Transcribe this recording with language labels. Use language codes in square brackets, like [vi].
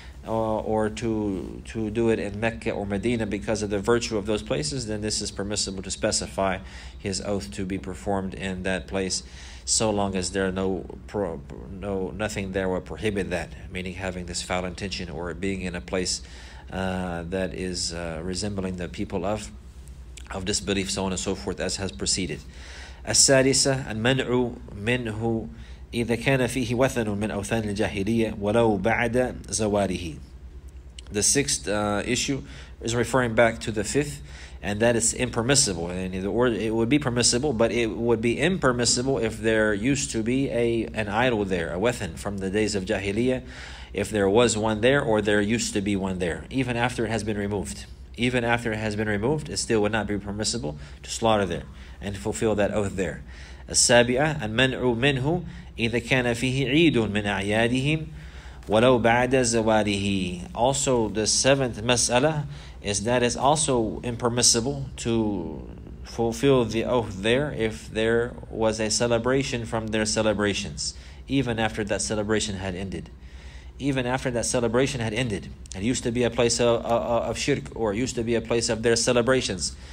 [en] or to do it in Mecca or Medina because of the virtue of those places, then this is permissible to specify his oath to be performed in that place, so long as there are nothing there will prohibit that, meaning having this foul intention or being in a place that is resembling the people of disbelief, so on and so forth, as has preceded. [ar] السادسة المنعو منه إذا كان فيه وثن من أوثان الجاهلية ولو بعد زواره. [en] The sixth issue is referring back to the fifth, and that is impermissible. And the word, it would be permissible, but it would be impermissible if there used to be an idol there, a wathan from the days of Jahiliyyah, if there was one there or there used to be one there, even after it has been removed. Even after it has been removed, it still would not be permissible to slaughter there and fulfill that oath there. [ar] السابعة المنعو منه إذا كان فيه عيد من أعيادهم ولو بعد زواله. [en] Also, the seventh mas'ala is that it's also impermissible to fulfill the oath there if there was a celebration from their celebrations, even after that celebration had ended. Even after that celebration had ended, it used to be a place of shirk, or it used to be a place of their celebrations.